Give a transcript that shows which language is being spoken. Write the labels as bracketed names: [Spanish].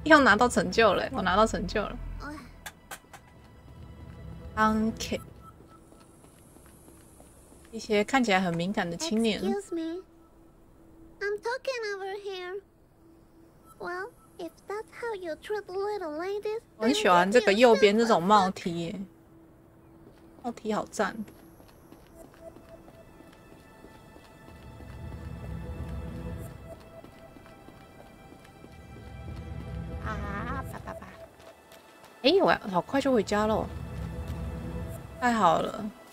[Chinese] 要拿到成就了，我拿到成就了。 [English] Uncle。 [Chinese] 一些看起来很敏感的青年。 [English] Excuse me, I'm talking over here. Well, if that's how you treat little ladies, [Chinese] 我很喜欢这个右边这种帽梯耶，帽梯好赞。啊，爸爸爸！哎，我好快就回家了，太好了。